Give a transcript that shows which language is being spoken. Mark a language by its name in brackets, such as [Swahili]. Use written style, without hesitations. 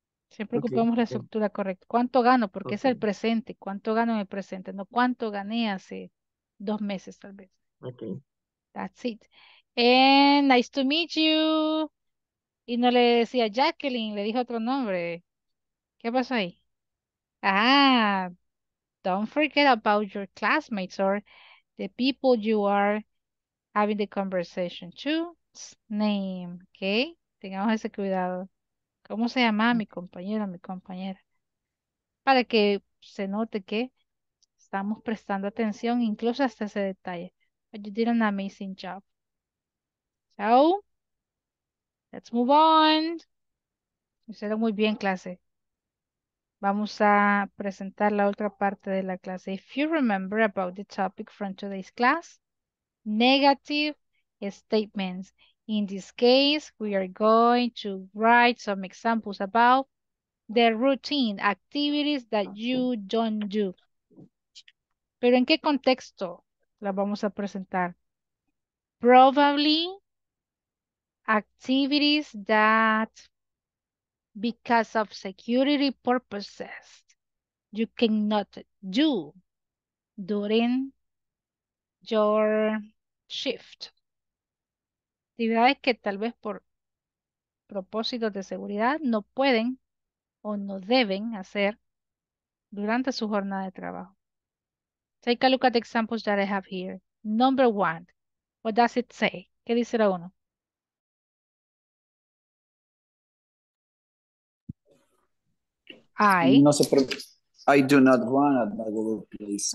[Spanish] Siempre ocupamos la estructura correcta. ¿Cuánto gano? Porque es el presente. ¿Cuánto gano en el presente? No, ¿cuánto gané hace 2 meses, tal vez? [English] Okay. That's it. And nice to meet you. [Spanish] Y no le decía Jacqueline, le dijo otro nombre. ¿Qué pasó ahí? [English] Ah, don't forget about your classmates or the people you are having the conversation to. Name, okay? [Spanish] Tengamos ese cuidado. ¿Cómo se llama mi compañero, mi compañera? Para que se note que estamos prestando atención, incluso hasta ese detalle. [English] But you did an amazing job. So, let's move on. [Spanish] Hicieron muy bien clase. Vamos a presentar la otra parte de la clase. [English] If you remember about the topic from today's class, negative statements. In this case, we are going to write some examples about the routine, activities that you don't do. [Spanish] ¿Pero en qué contexto la vamos a presentar? [English] Probably activities that, because of security purposes, you cannot do during your shift. [Spanish] Actividades que tal vez por propósitos de seguridad no pueden o no deben hacer durante su jornada de trabajo. [English] Take a look at the examples that I have here. Number one, what does it say? [Spanish] ¿Qué dice la uno? [English] I do not run at my workplace.